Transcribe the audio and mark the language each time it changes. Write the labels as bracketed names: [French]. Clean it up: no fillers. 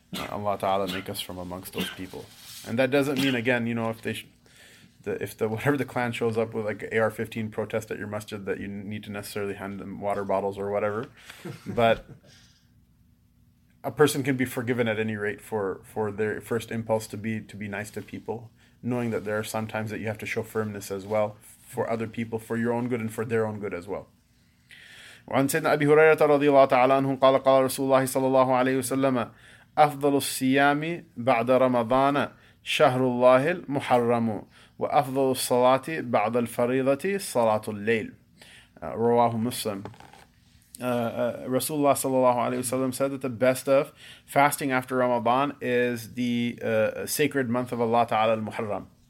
[English] Allah Ta'ala make us from amongst those people. And that doesn't mean, again, you know, if the clan shows up with like AR-15 protest at your masjid, that you need to necessarily hand them water bottles or whatever. But a person can be forgiven at any rate for their first impulse to be nice to people, knowing that there are some times that you have to show firmness as well for other people, for your own good and for their own good as well. [Arabic] وعن سيدنا أبي هريرة رضي الله تعالى عنه قال قال رسول الله صلى الله عليه وسلم أفضل الصيام بعد رمضان شهر الله المحرم وأفضل الصلاة بعد الفريضة صلاة الليل رواه مسلم. [English] Rasulullah sallallahu alaihi wasallam said that the best of fasting after Ramadan is the sacred month of Allah Ta'ala al-Muharram.